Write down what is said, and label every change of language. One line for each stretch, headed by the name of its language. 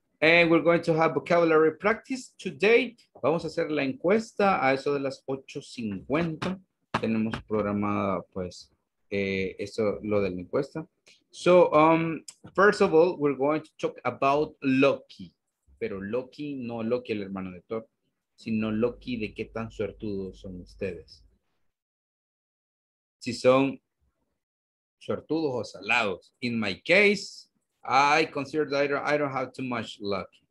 English: And we're going to have vocabulary practice today.
Spanish: Vamos a hacer la encuesta a eso de las 8:50. Tenemos programada, pues, eso, lo de la encuesta.
English: So, first of all, we're going to talk about Loki.
Spanish: Pero Loki, no Loki, el hermano de Thor, sino Loki, de qué tan suertudos son ustedes. Si son suertudos o salados.
English: In my case, I consider that I don't have too much luck.